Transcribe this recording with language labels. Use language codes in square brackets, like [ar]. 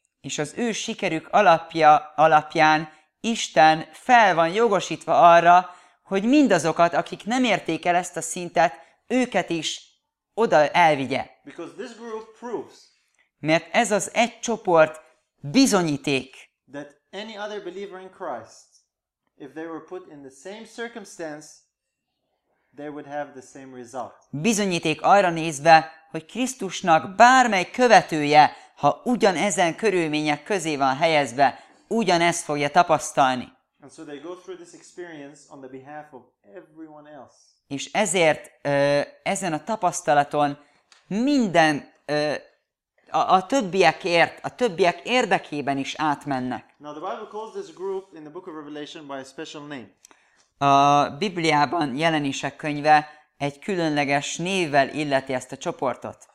[hu] És az ő sikerük alapján Isten fel van jogosítva arra, hogy mindazokat, akik nem érték el ezt a szintet, őket is oda elvigye. [en] Because this group proves, [hu] mert ez az egy csoport bizonyíték, [en] that any other believer in Christ, if they were put in the same circumstance, they would have the same result. [hu] Bizonyíték arra nézve, hogy Krisztusnak bármely követője, ha ugyanezen körülmények közé van helyezve, ugyanezt fogja tapasztalni. [en] And so they go through this experience on the behalf of everyone else. [hu] És ezért ezen a tapasztalaton minden a többiekért, a többiek érdekében is átmennek. [en] Now the Bible calls this group in the book of Revelation by a special name. [hu] A Bibliában Jelenések könyve egy különleges névvel illeti ezt a csoportot.